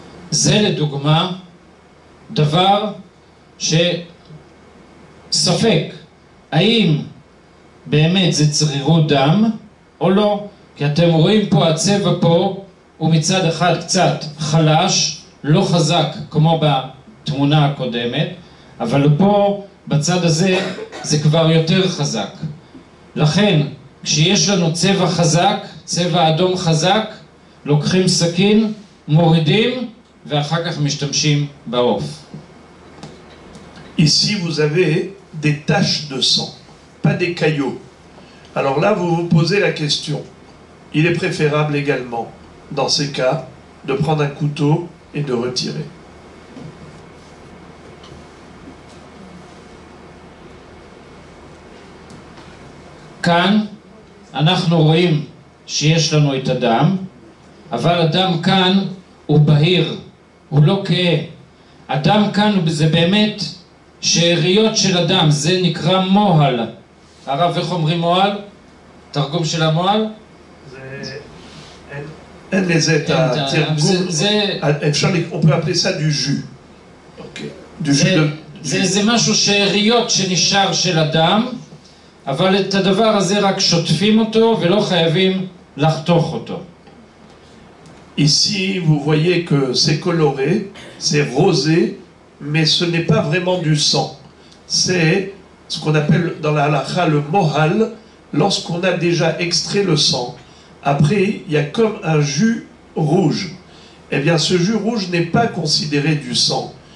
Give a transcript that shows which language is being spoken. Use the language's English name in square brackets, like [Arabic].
[Hebrew] זה לדוגמה דבר שספק האם באמת זה צרירות דם או לא, כי אתם רואים פה הצבע פה הוא מצד אחד קצת חלש, לא חזק כמו בתמונה הקודמת, אבל פה בצד הזה זה כבר יותר חזק. לכן כשיש לנו צבע חזק, צבע אדום חזק, לוקחים סכין, מורידים ואחר כך משתמשים בעוף. [French] Ici vous avez des taches de sang, pas des caillots. Alors là vous vous posez la question. Il est préférable également dans ces cas de prendre un couteau et de retirer. [Hebrew] כאן אנחנו רואים שיש לנו את הדם, אבל הדם כאן הוא בהיר, הוא לא כהה. הדם כאן זה באמת שאריות של הדם, זה נקרא מוהל. הרב, איך אומרים מוהל? תרגום של המוהל? זה... אין לזה את התרגום. אפשר לקרוא לזה דו ז'ו. זה משהו שאריות שנשאר של הדם, אבל את הדבר הזה רק שוטפים אותו ולא חייבים לחתוך אותו. [French] Ici, vous voyez que c'est coloré, c'est rosé, mais ce n'est pas vraiment du sang. C'est ce qu'on appelle dans la halakha le mohal, lorsqu'on a déjà extrait le sang. Après, il y a comme un jus rouge. Eh bien, ce jus rouge n'est pas considéré du sang.